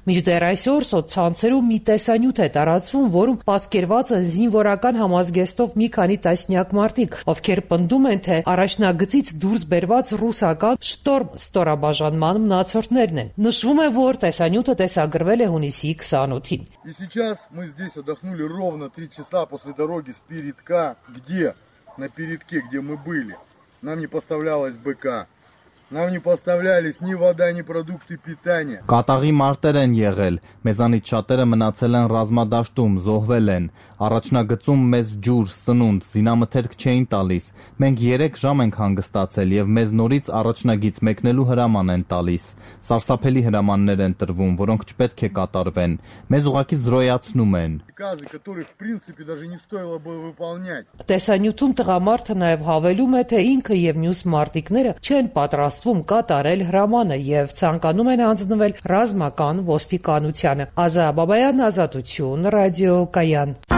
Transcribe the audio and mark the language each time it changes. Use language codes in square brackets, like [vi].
[hy] Մինչդեռ այսօր սոցցանցերում մի տեսանյութ է տարածվում, որում պատկերված են զինվորական համազգեստով մի քանի տասնյակ մարդիկ, ովքեր պնդում են, թե առաջնագծից դուրս բերված ռուսական շտորմ ստորաբաժանման մնացորդներն են։ Նշվում է, որ տեսանյութը տեսագրվել է հունիսի 28-ին։ [ru] И сейчас мы здесь отдохнули ровно 3 часа после дороги с передка, где на передке, где мы были. Нам не поставлялось БК. Нам не поставлялись ни вода, ни продукты питания. [hy] Կատաղի մարտեր են եղել, մեզանից շատերը մնացել են ռազմադաշտում, զոհվել են։ Առաջնագծում մեզ ջուր, սնունդ, զինամթերք չէին տալիս։ Մենք 3 ժամ ենք հանգստացել եւ մեզ նորից առաջնագից մեկնելու հրաման են տալիս։ Սարսափելի հրամաններ են տրվում, որոնք չպետք է կատարվեն։ Մեզ ուղղակի զրոյացնում են։ [ru] Приказы, которые в принципе даже не стоило бы выполнять. [hy] Տեսանյութում տղամարդը նաեւ հավելում է, թե ինքը եւ մյուս մարտիկները չեն պատրաստվում կատարել հրամանը եւ ցանկանում են անձնվել ռազմական ոստիկանությանը։ Ազա Բաբայան, Ազատություն, Ռադիո Կայան։